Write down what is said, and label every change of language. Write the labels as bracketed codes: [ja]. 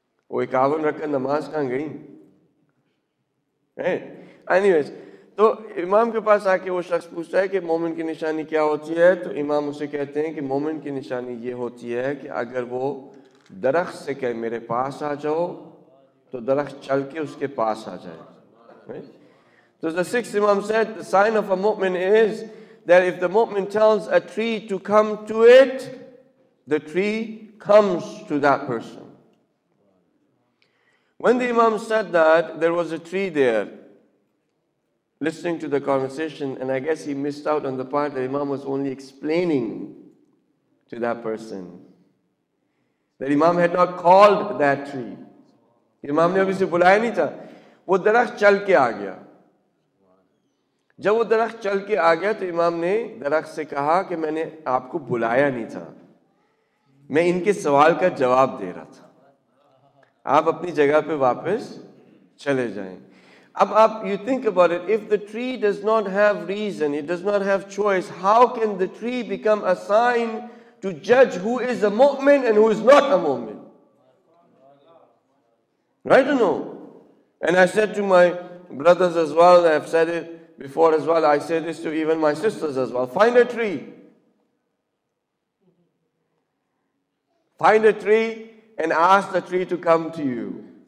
[hi] वो 51 रखकर नमाज कहाँ गई? एनीवेज, तो इमाम के पास आके वो शख्स पूछता है कि मोमिन की निशानी क्या होती है। तो इमाम उसे कहते हैं कि मोमिन की निशानी ये होती है कि अगर वो दरख्त से कहे मेरे पास आ जाओ तो दरख्त चल के उसके पास आ जाए। [en] तो the six imam said the sign of a मोमिन is that if the mu'min tells a tree to come to it, the tree comes to that person. When the imam said that, there was a tree there, listening to the conversation, and I guess he missed out on the part that imam was only explaining to that person. That imam had not called that tree. [hi] Imam ne abhi se bulaya nahi tha. Wo darakh chal ke aa gaya. जब वो दरख्त चल के आ गया तो इमाम ने दरख्त से कहा कि मैंने आपको बुलाया नहीं था, मैं इनके सवाल का जवाब दे रहा था, आप अपनी जगह पे वापस चले जाएं। अब आप [en] You think about it, if the tree does not have reason, it does not have choice, how can the tree become a sign to जज who is a मोमिन and who is not a मोमिन? Right no? And I said to my brothers as well, I have said it before as well, I say this to even my sisters as well. Find a tree. Find a tree and ask the tree to come to you.